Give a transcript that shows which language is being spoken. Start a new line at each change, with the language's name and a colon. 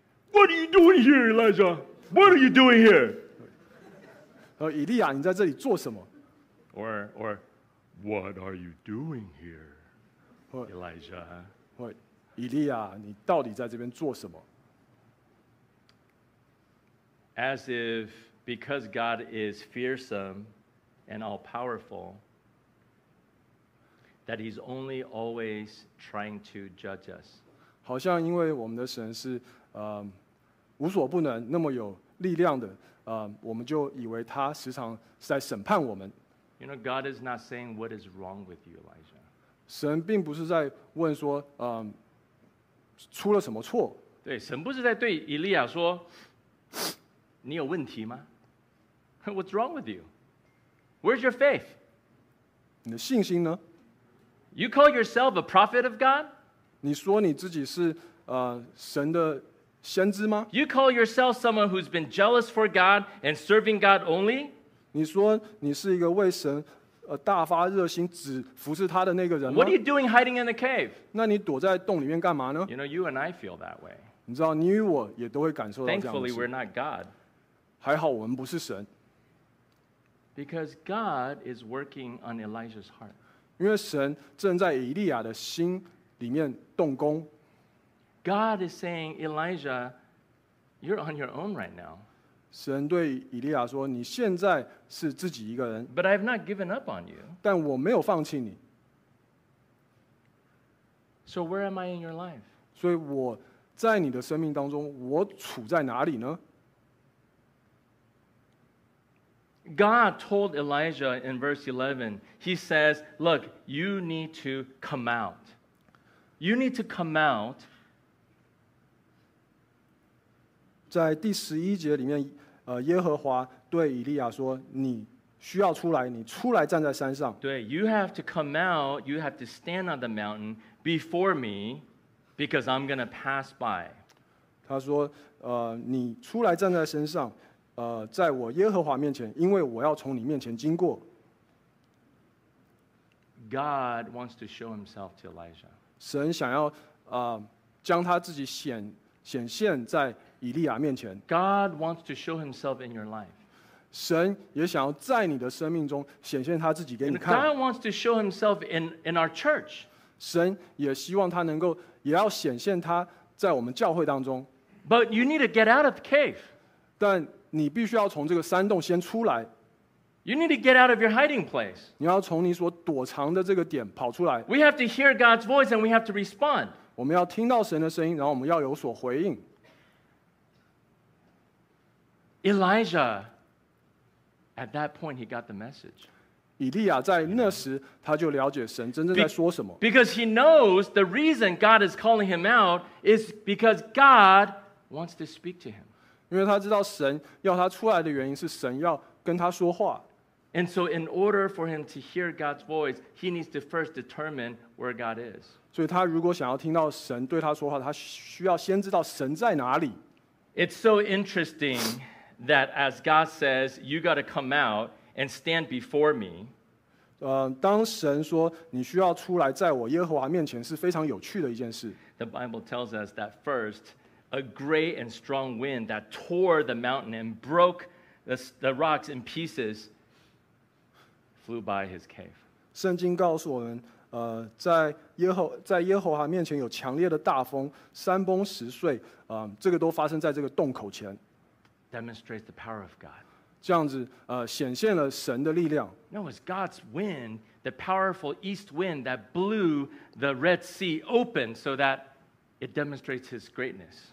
English: What are you doing here, Elijah? What are you doing here?
Chinese: 以利亚，你在这里做什么？
English: Or what are you doing here, Elijah?
Chinese: 或以利亚，你到底在这边做什么？
English: As if because God is fearsome and all powerful. That he's only always trying to judge us.
Chinese: 好像因为我们的神是无所不能，那么有力量的，我们就以为他时常是在审判我们。
English: You know, God is not saying what is wrong with you, Elijah.
Chinese: 神并不是在问说，出了什么错。对，神不是在对以利亚说，你有问题吗？
English: What's wrong with you? Where's your faith?
Chinese: 你的信心呢？
English: You call yourself a prophet of God?
Chinese: 你说你自己是神的先知吗？
English: You call yourself someone who's been jealous for God and serving God only?
Chinese: 你说你是一个为神大发热心只服侍他的那个人吗？
English: What are you doing hiding in the cave?
Chinese: 那你躲在洞里面干嘛呢？
English: You know, you and I feel that way.
Chinese: 你知道你与我也都会感受到这样子。
English: Thankfully, we're not God.
Chinese: 还好我们不是神。
English: Because God is working on Elijah's heart.
Chinese: 因为神正在以利亚的心里面动工。
English: God is saying, Elijah, you're on your own right now.
Chinese: 神对以利亚说，你现在是自己一个人。
English: But I've not given up on you.
Chinese: 但我没有放弃你。
English: So where am I in your life?
Chinese: 所以我在你的生命当中，我处在哪里呢？
English: God told Elijah in verse 11, he says, look, you need to come out. You need to come out.
Chinese: 在第十一节里面，耶和华对以利亚说，你需要出来，你出来站在山上。对，
English: you have to come out, you have to stand on the mountain before me, because I'm going to pass by.
Chinese: 他说，你出来站在山上。在我耶和华面前，因为我要从你面前经过。
English: God wants to show himself to Elijah.
Chinese: 神想要将他自己显现在以利亚面前。
English: God wants to show himself in your life.
Chinese: 神也想要在你的生命中显现他自己给你看。
English: God wants to show himself in our church.
Chinese: 神也希望他能够也要显现他在我们教会当中。
English: But you need to get out of the cave.
Chinese: 但你必须要从这个山洞先出来。
English: You need to get out of your hiding place.
Chinese: 你要从你所躲藏的这个点跑出来。
English: We have to hear God's voice and we have to respond.
Chinese: 我们要听到神的声音，然后我们要有所回应。
English: Elijah, at that point, he got the message.
Chinese: 以利亚在那时，他就了解神真正在说什么。
English: Because he knows the reason God is calling him out is because God wants to speak to him.
Chinese: 因为他知道神要他出来的原因是神要跟他说话。
English: And so in order for him to hear God's voice, he needs to first determine where God is.
Chinese: 所以他如果想要听到神对他说话，他需要先知道神在哪里。
English: It's so interesting that as God says, you got to come out and stand before me.
Chinese: 当神说你需要出来在我耶和华面前是非常有趣的一件事。
English: The Bible tells us that first,A great and strong wind that tore the mountain and broke the rocks in pieces flew by his cave.
Chinese: 圣经告诉我们，在耶和华面前有强烈的大风，山崩石碎，这个都发生在这个洞口前。
English: demonstrates the power of God.
Chinese: 这样子，显现了神的力量。
English: No, it's God's wind, the powerful east wind that blew the Red Sea open so that it demonstrates His greatness.